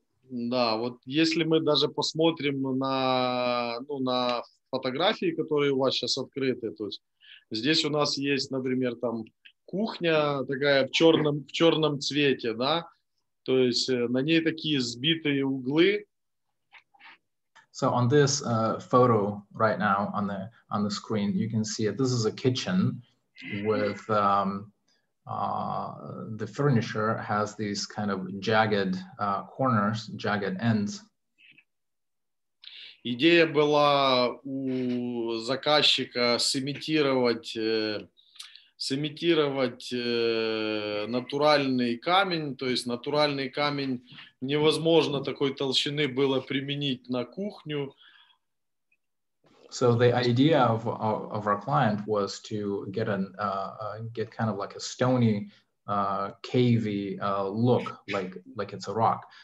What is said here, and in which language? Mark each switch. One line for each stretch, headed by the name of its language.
Russian: Вот если мы даже посмотрим на, ну, на фотографии, которые у вас сейчас открыты, то есть здесь у нас есть, например, там кухня такая в черном цвете, да, то есть на ней такие сбитые углы.
English: So on this photo right now on the screen, you can see it. This is a kitchen with the furniture has these kind of jagged corners, jagged ends.
Russian: Идея была у заказчика сымитировать натуральный камень, то есть натуральный камень невозможно такой толщины было применить на кухню.
English: So the idea of our client was to get an get kind of like a stony, cavey look, like it's a rock.